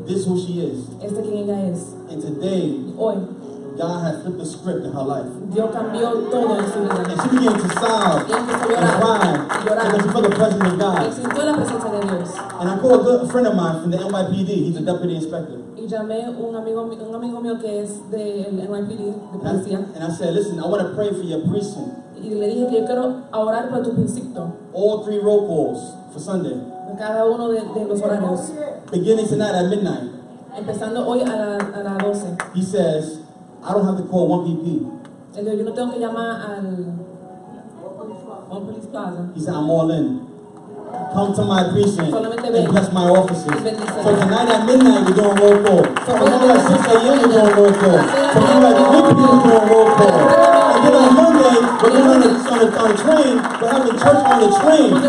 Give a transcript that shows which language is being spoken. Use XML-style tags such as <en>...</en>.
<en>This who she is.</en> <es>Esta quien ella es.</es> <en>And today,</en> <es>hoy,</es> <en>God has flipped the script in her life.</en> <es>Dios cambió todo en su vida.</es> <en>And she began to sob and cry for the presence of God.</en> <es>Y sintió la presencia de Dios.</es> <en>And I called a good friend of mine from the NYPD. He's a deputy inspector.</en> <es>Y llamé un amigo mío que es de NYPD, de policía.</es> <en>And I said, listen, I want to pray for your precinct.</en> <es>Y le dije que yo quiero orar por tu precinto.</es> <en>All three roll calls for Sunday.</en> <es>Cada uno de los horarios.</es> <en>Beginning tonight at midnight.</en> <es>Empezando hoy a la 12.</es> <en>He says, I don't have to call 1PP.</en> <es>Él dijo, yo no tengo que llamar al One Police Plaza.</es> <en>He said, I'm all in. Come to my precinct and bless my offices. So tonight at midnight we're doing roll call. Tomorrow at 6 a.m. we're doing roll call. Tomorrow at 8 p.m. we're doing roll call. And then on Monday, we're going on a train, we're having church on the train.</en>